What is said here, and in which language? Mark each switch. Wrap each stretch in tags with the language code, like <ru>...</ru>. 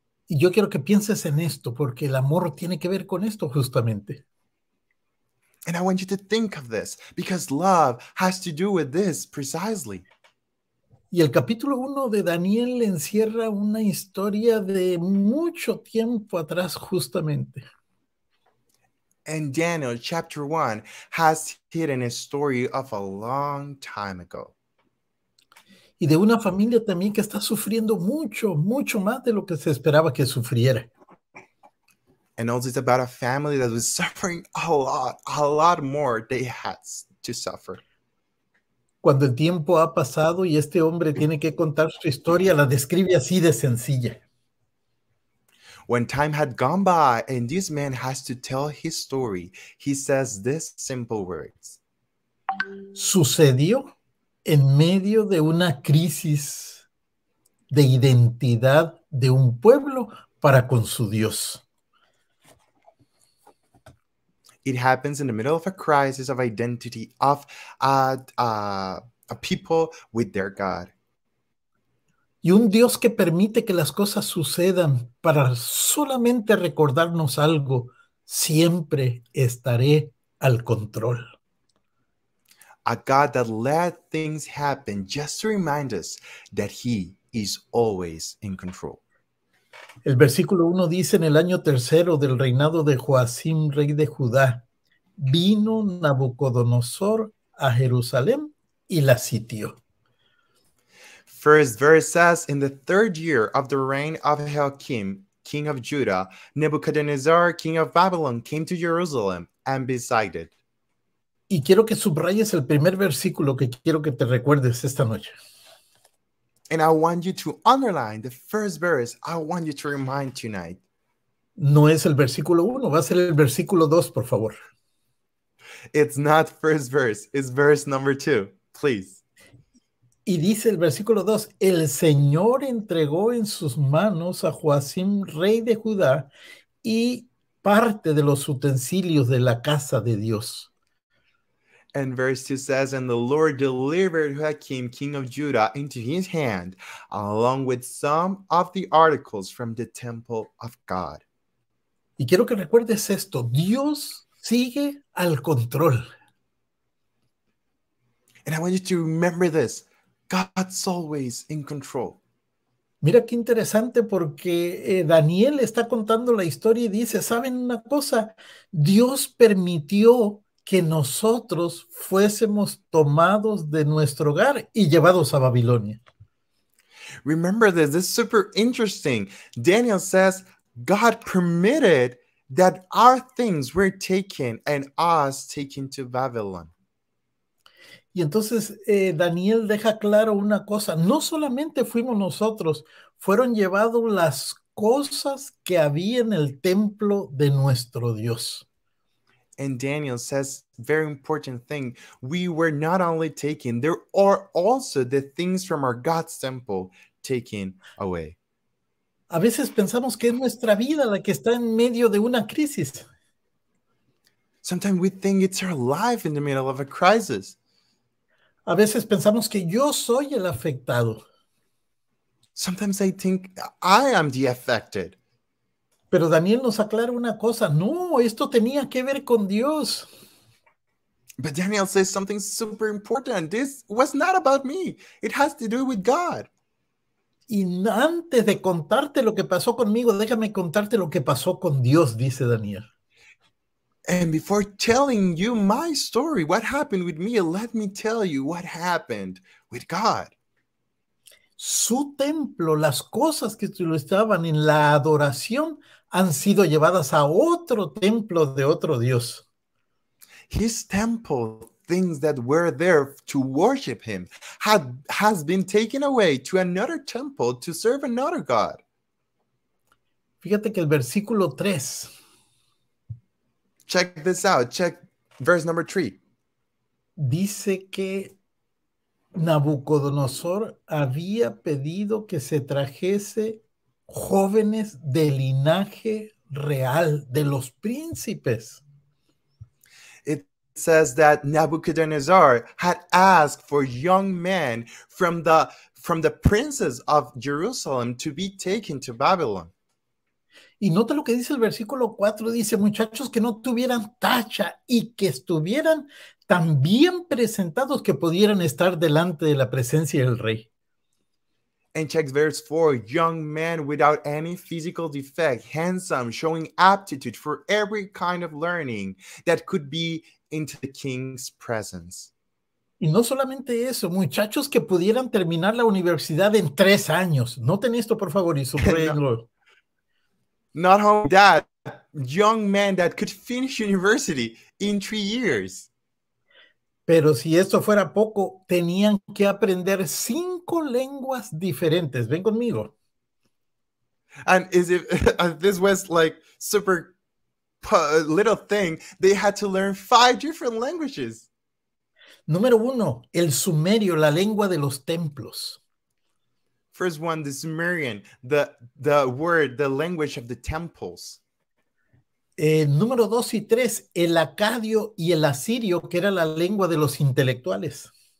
<es>Y yo quiero que pienses en esto porque el amor tiene que ver con esto justamente.</es> <en>And I want you to think of this because love has to do with this precisely.</en> <es>Y el capítulo 1 de Daniel encierra una historia de mucho tiempo atrás, justamente.</es> <en>And Daniel, chapter 1, has hidden a story of a long time ago.</en> <es>y de una familia también que está sufriendo mucho, mucho más de lo que se esperaba que sufriera.</es> <en>And also it's about a family that was suffering a lot more they had to suffer.</en> <es>Cuando el tiempo ha pasado y este hombre tiene que contar su historia, la describe así de sencilla.</es> <en>When time had gone by and this man has to tell his story, he says these simple words.</en> <es>Sucedió en medio de una crisis de identidad de un pueblo para con su Dios.</es> <en>It happens in the middle of a crisis of identity of a people with their God.</en> <es>Y un Dios que permite que las cosas sucedan para solamente recordarnos algo, siempre estaré al control.</es> <en>A God that let things happen just to remind us that he is always in control.</en> <es>El versículo 1 dice, en el año tercero del reinado de Joacim, rey de Judá, vino Nabucodonosor a Jerusalén y la sitió.</es> <en>First verse says, in the third year of the reign of Jehoiakim, king of Judah, Nebuchadnezzar, king of Babylon, came to Jerusalem and besieged it.</en> <es>Y quiero que subrayes el primer versículo que quiero que te recuerdes esta noche.</es> <en>And I want you to underline the first verse I want you to remind tonight.</en> <es>No es el versículo uno, va a ser el versículo dos, por favor.</es> <en>It's not first verse, it's verse number two, please.</en> <es>Y dice el versículo 2, el Señor entregó en sus manos a Joacim, rey de Judá, y parte de los utensilios de la casa de Dios.</es> <en>And verse 2 says, and the Lord delivered Joacim, king of Judah, into his hand, along with some of the articles from the temple of God.</en> <es>Y quiero que recuerdes esto, Dios sigue al control.</es> <en>And I want you to remember this. God's always in control.</en> <es>Mira qué interesante porque Daniel está contando la historia y dice, ¿saben una cosa? Dios permitió que nosotros fuésemos tomados de nuestro hogar y llevados a Babilonia.</es> <en>Remember this, this is super interesting. Daniel says, God permitted that our things were taken and us taken to Babylon.</en> <es>Y entonces Daniel deja claro una cosa, no solamente fuimos nosotros, fueron llevados las cosas que había en el templo de nuestro Dios.</es> <en>And Daniel says very important thing, we were not only taken, there are also the things from our God's temple taken away.</en> <es>A veces pensamos que es nuestra vida la que está en medio de una crisis.</es> <en>Sometimes we think it's our life in the middle of a crisis.</en> <es>A veces pensamos que yo soy el afectado.</es> <en>Sometimes I think I am the affected.</en> <es>Pero Daniel nos aclara una cosa. No, esto tenía que ver con Dios.</es> <en>But Daniel says something super important. This was not about me. It has to do with God.</en> <es>Y antes de contarte lo que pasó conmigo, déjame contarte lo que pasó con Dios, dice Daniel.</es> <en>And before telling you my story, what happened with me, let me tell you what happened with God.</en> <es>Su templo, las cosas que estaban en la adoración, han sido llevadas a otro templo de otro Dios.</es> <en>His temple, things that were there to worship him, has been taken away to another temple to serve another God.</en> <es>Fíjate que el versículo 3.</es> <en>Check this out. Check verse number 3.</en> <es>Dice que Nabucodonosor había pedido que se trajese jóvenes del linaje real, de los príncipes.</es> <en>It says that Nabucodonosor had asked for young men from the princes of Jerusalem to be taken to Babylon.</en> <es>Y nota lo que dice el versículo 4, dice, muchachos que no tuvieran tacha y que estuvieran tan bien presentados que pudieran estar delante de la presencia del rey.</es> <en>And check verse 4, young men without any physical defect, handsome, showing aptitude for every kind of learning that could be into the king's presence.</en> <es>Y no solamente eso, muchachos que pudieran terminar la universidad en 3 años. Noten esto, por favor, y subrayenlo.</es> <en>Not only that, young man that could finish university in 3 years.</en> <es>Pero si esto fuera poco, tenían que aprender 5 lenguas diferentes. Ven conmigo.</es> <en>And is it, this was like super little thing, they had to learn 5 different languages.</en> <es>Número 1, el sumerio, la lengua de los templos.</es> <en>First one, the Sumerian, the word, the language of the temples.</en> <es>Número 2 y 3, el acadio y el asirio, que era la lengua de los intelectuales.</es>